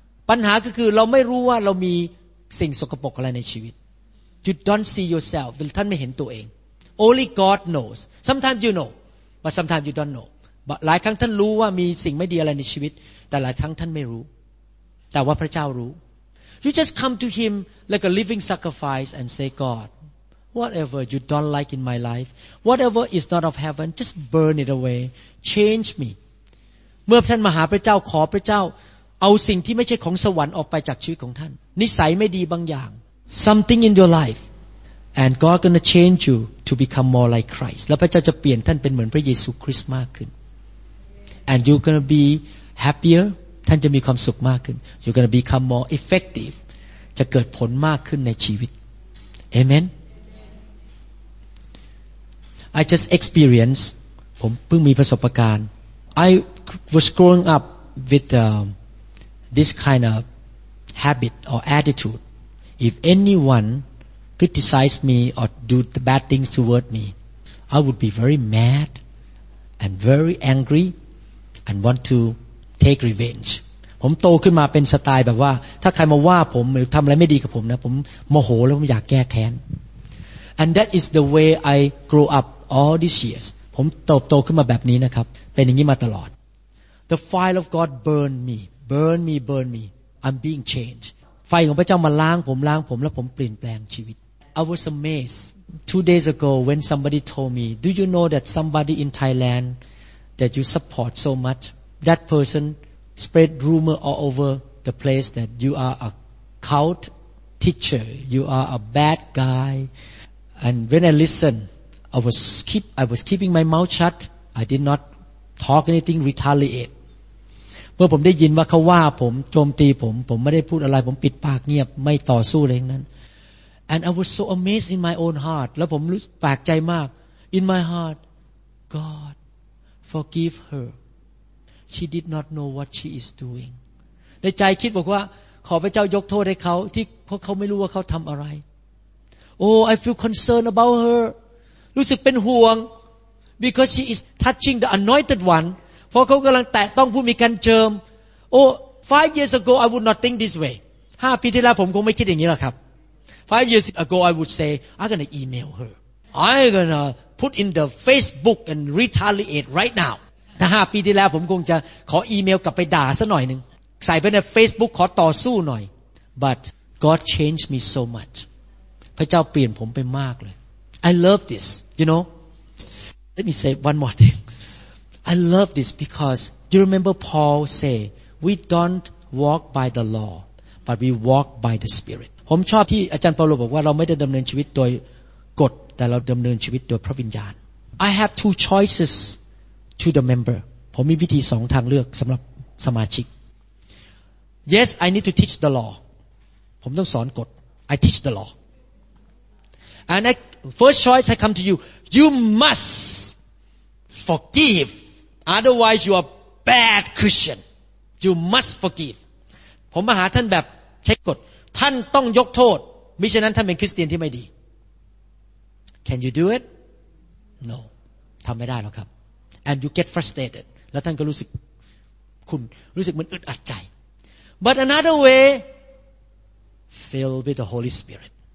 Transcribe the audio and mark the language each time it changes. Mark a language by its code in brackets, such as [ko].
[th] ปัญหาก็คือเราไม่รู้ว่าเรามีสิ่งสกปรกอะไรในชีวิต [en] you don't see yourself [th] ท่านไม่เห็นตัวเอง [en] only God knows sometimes you know but sometimes you don't know [th] หลายครั้งท่านรู้ว่ามีสิ่งไม่ดีอะไรในชีวิตแต่หลายครั้งท่านไม่รู้แต่ว่าพระเจ้ารู้ [en] You just come to him like a living sacrifice and say, God, Whatever you don't like in my life, whatever is not of heaven, just burn it away. Change me. [th] เมื่อท่านมาหาพระเจ้าขอพระเจ้าเอาสิ่งที่ไม่ใช่ของสวรรค์ออกไปจากชีวิตของท่านนิสัยไม่ดีบางอย่าง [en] something in your life and God gonna change you to become more like Christ [th] แล้วพระเจ้าจะเปลี่ยนท่านเป็นเหมือนพระเยซูคริสต์มากขึ้น [en] and you gonna be happier [th] ท่านจะมีความสุขมากขึ้น [en] you gonna become more effective [th] จะเกิดผลมากขึ้นในชีวิต [en] amen I just experienced [th] ผมเพิ่งมีประสบการณ์ [en] I was growing up withthis kind of habit or attitude if anyone criticize me or do the bad things toward me I would be very mad and very angry and want to take revenge [th] ผมโตขึ้นมาเป็นสไตล์แบบว่าถ้าใครมาว่าผมหรือทำอะไรไม่ดีกับผมนะผมโมโหแล้วผมอยากแก้แค้น [en] and that is the way I grew up all these years [th] ผมโตขึ้นมาแบบนี้นะครับเป็นอย่างนี้มาตลอด [en] the fire of God burned meBurn me, burn me. I'm being changed. [th] ไฟของพระเจ้ามาล้างผมล้างผมแล้วผมเปลี่ยนแปลงชีวิต [en] I was amazed 2 days ago when somebody told me, Do you know that somebody in Thailand that you support so much, that person spread rumor all over the place that you are a cult teacher, you are a bad guy. And when I listened, I was keeping my mouth shut. I did not talk anything, retaliate. [th] เมื่อผมได้ยินว่าเขาว่าผมโจมตีผมผมไม่ได้พูดอะไรผมปิดปากเงียบไม่ต่อสู้อะไรทั้งนั้น [en] and I was so amazed in my own heart [th] แล้วผมรู้สึกแปลกใจมาก [en] in my heart God forgive her she did not know what she is doing [th] ในใจคิดบอกว่าขอพระเจ้ายกโทษให้เขาที่เพราะเขาไม่รู้ว่าเขาทำอะไร [en] oh I feel concerned about her [th] รู้สึกเป็นห่วง [en] because she is touching the anointed one [th] เพราะเขากำลังแตะต้องผู้มีการเจิมโอ้ [en] 5 years ago I would not think this way [th] 5ปีที่แล้วผมคงไม่คิดอย่างนี้หรอกครับ [en] 5 years ago I would say I'm gonna email her I'm gonna put in the Facebook and retaliate right now [th] ถ้า5ปีที่แล้วผมคงจะขออีเมลกลับไปด่าซะหน่อยนึงใส่ไปใน Facebook ขอต่อสู้หน่อย [en] but God changed me so much [th] พระเจ้าเปลี่ยนผมไปมากเลย [en] I love this you know let me say one more thing I love this because you remember Paul say we don't walk by the law but we walk by the spirit [th] ผมชอบที่อาจารย์เปาโลบอกว่าเราไม่ได้ดำเนินชีวิตโดยกฎแต่เราดำเนินชีวิตโดยพระวิญญาณ [en] I have 2 choices to the member [th] ผมมีวิธี2ทางเลือกสำหรับสมาชิก [en] Yes I need to teach the law [th] ผมต้องสอนกฎ [en] I teach the law And I first choice I come to you mustForgive, otherwise you are bad Christian. You must forgive. [th] ผมมาหาท่านแบบเช็คกฎท่านต้องยกโทษมิฉะนั้นท่านเป็นคริสเตียนที่ไม่ดี [en] Can you do it? No. [th] ทำไม่ได้หรอกครับ [en] And you get frustrated. [th] แล้วท่านก็รู้สึกคุณรู้สึกมันอึดอัดใจ [en] But another way, filled with the Holy Spirit.